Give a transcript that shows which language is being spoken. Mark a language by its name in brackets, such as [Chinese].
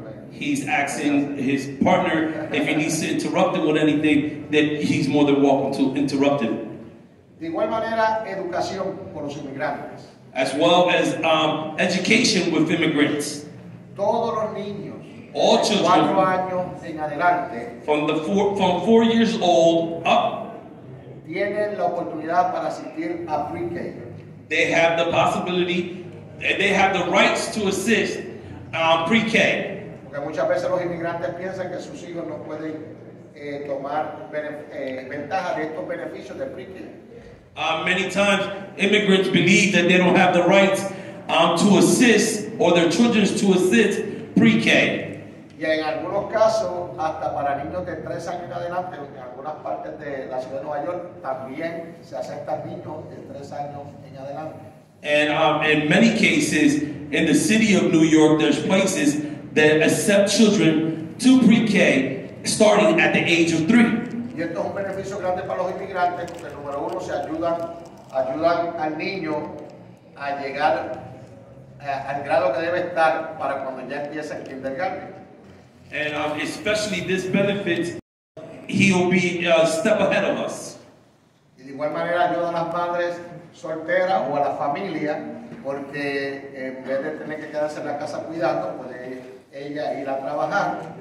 [English] He's asking his partner if he needs to interrupt him with anything, that he's more than welcome to interrupt him. [Spanish] De igual manera, educación por los inmigrantes. [English] As well as education with immigrants. [Spanish] Todos los niños, [English] all children, [Spanish] 4 años en adelante, [English] from 4 years old up, [Spanish] tienen la oportunidad para asistir a pre-K. [English] They have the possibility, they have the rights to assist pre-K. [Spanish] Porque muchas veces los inmigrantes piensan que sus hijos no pueden tomar ventaja de estos beneficios de pre-K. [English] Many times immigrants believe that they don't have the rights to assist, or their children to assist pre-K. [Spanish] Y en algunos casos, hasta para niños de 3 años en adelante, en algunas partes de la ciudad de Nueva York, también se aceptan niños de 3 años en adelante. [English] And in many cases, in the city of New York, there's places that accept children to pre-K starting at the age of 3. [Spanish] Y esto es un beneficio grande para los inmigrantes, porque número uno, se ayudan al niño a llegar al grado que debe estar para cuando ya empiece el kindergarten. [English] And especially this benefit, he'll be a step ahead of us. [Spanish] Y de igual manera ayuda a las madres solteras o a la familia, porque en vez de tener que quedarse en la casa cuidando, puede ella ir a trabajar.